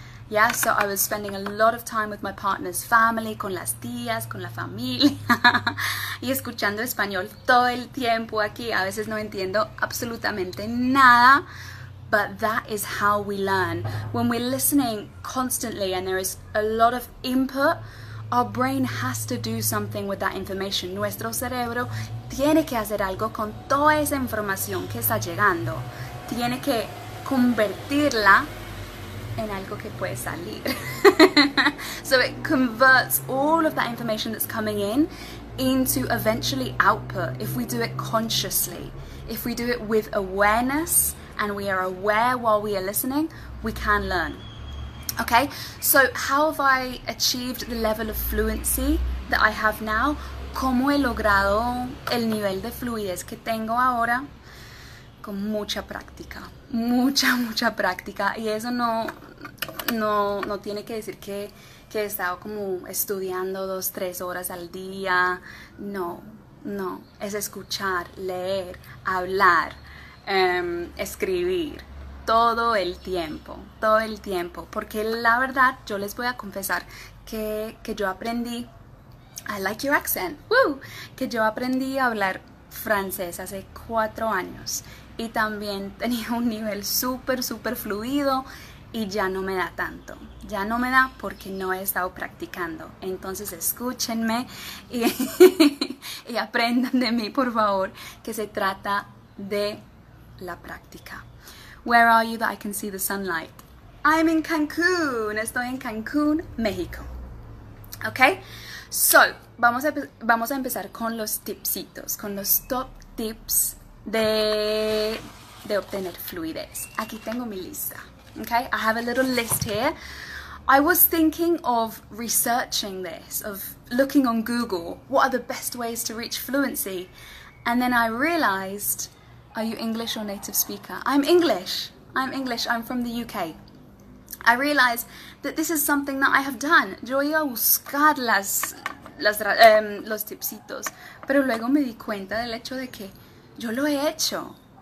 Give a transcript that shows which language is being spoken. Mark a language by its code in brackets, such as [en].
[en] Yeah, so I was spending a lot of time with my partner's family, [es] con las tías, con la familia, y escuchando español todo el tiempo aquí. A veces no entiendo absolutamente nada, [en] but that is how we learn. When we're listening constantly and there is a lot of input, our brain has to do something with that information. [es] Nuestro cerebro tiene que hacer algo con toda esa información que está llegando. Tiene que convertirla en algo que puede salir. [en] So it converts all of that information that's coming in into eventually output if we do it consciously. If we do it with awareness and we are aware while we are listening, we can learn. Okay, so how have I achieved the level of fluency that I have now? [es] ¿Cómo he logrado el nivel de fluidez que tengo ahora? Con mucha práctica, mucha, mucha práctica. Y eso no tiene que decir que he estado como estudiando 2-3 horas al día. No, es escuchar, leer, hablar, escribir todo el tiempo. Porque la verdad, yo les voy a confesar que yo aprendí, [en] I like your accent, woo, [es] que yo aprendí a hablar francés hace 4 años. Y también tenía un nivel súper, súper fluido y ya no me da tanto. Ya no me da porque no he estado practicando. Entonces escúchenme y aprendan de mí, por favor, que se trata de la práctica. [en] Where are you that I can see the sunlight? I'm in Cancún. [es] Estoy en Cancún, México. Okay? So, vamos a empezar con los tipsitos, con los top tips de obtener fluidez. Aquí tengo mi lista. [en] Okay, I have a little list here. I was thinking of researching this, of looking on Google, what are the best ways to reach fluency? And then I realized, are you English or native speaker? I'm English, I'm from the UK. I realized that this is something that I have done. [es] Yo iba a buscar los tipsitos, pero luego me di cuenta del hecho de que yo lo he hecho.